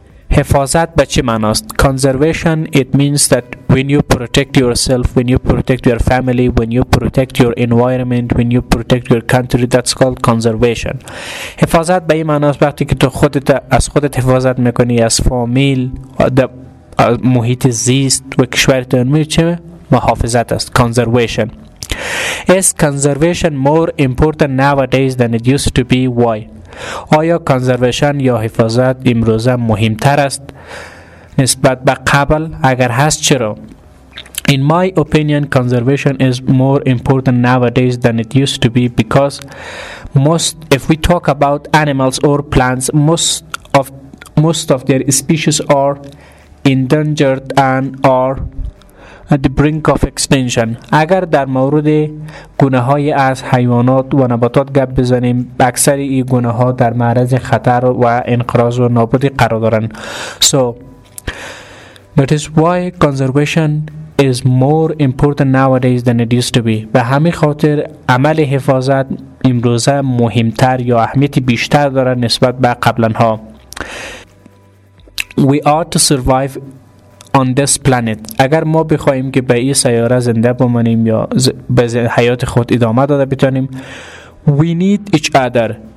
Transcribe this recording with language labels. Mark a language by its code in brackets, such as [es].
[fa] حفاظت به چه معناست؟ [en] Conservation, it means that when you protect yourself, when you protect your family, when you protect your environment, when you protect your country, that's called conservation. [fa] حفاظت به این معناست وقتی که تو خودت از خودت حفاظت میکنی از فامیل از محیط زیست و کشورت چه محافظت است. [en] Conservation. Is conservation more important nowadays than it used to be? Why? [fa] آیا کانزرویشن یا حفاظت امروزه مهمتر است نسبت به قبل؟ اگر هست چرا؟ [en] In my opinion, conservation is more important nowadays than it used to be because most, if we talk about animals or plants, most of their species are endangered and are at the brink of extinction. [fa] اگر در مورد گونه های از حیوانات و نباتات گپ بزنیم اکثر این گونه ها در معرض خطر و انقراض و نابودی قرار دارند. [en] So that is why conservation is more important nowadays than it used to be. [fa] به همین خاطر عمل حفاظت امروزه مهمتر یا اهمیت بیشتر دارد نسبت به قبلنها. [en] We are to survive on this planet. [fa] اگر ما بخوایم که به این سیاره زنده بمانیم یا به حیات خود ادامه داده بتانیم, [en] we need each other.